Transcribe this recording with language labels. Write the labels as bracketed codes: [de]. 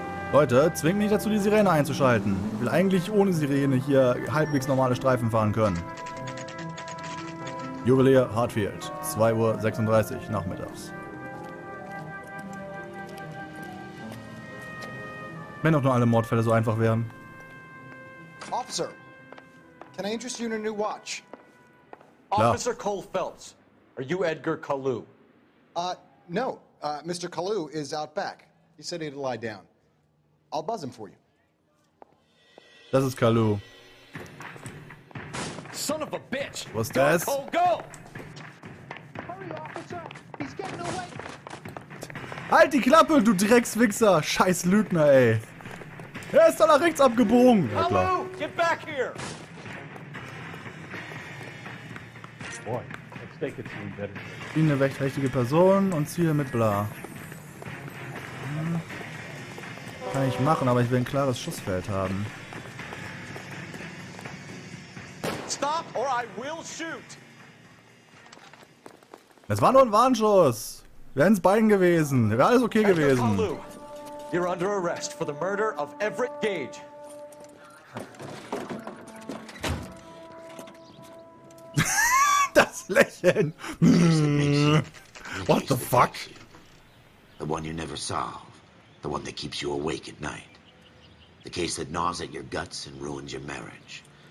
[de] Leute, zwingt mich nicht dazu, die Sirene einzuschalten. Ich will eigentlich ohne Sirene hier halbwegs normale Streifen fahren können. Juwelier Hartfield, 2.36 Uhr nachmittags. Wenn doch nur alle Mordfälle so einfach wären. [en] Officer, can I interest you in a new watch? [de] Klar. [en] Officer Cole Phelps, are you Edgar Kalu? Mr. Kalu is out back. He said he'd lie down. I'll buzz him for you. [de] Das ist Kalu. [en] Son of a bitch! [de] Was ist das? [en] Cole, go! Hurry, Officer! He's getting away! [de] Halt die Klappe, du Dreckswichser! Scheiß Lügner, ey! Er ist da nach rechts abgebogen! [en] Ja, Kalu, get back here! [de] Bin eine recht richtige Person und ziehe mit Bla. Kann ich machen, aber ich will ein klares Schussfeld haben. [en] Stop or I will shoot. [de] Es war nur ein Warnschuss. Wären es beiden gewesen, wäre alles okay gewesen. [en] You're under arrest for the murder of Everett Gage. [de] Lächeln. [en] What the fuck? The one you never solve. The one that keeps you awake at night. The case that gnaws at your guts and ruins your marriage.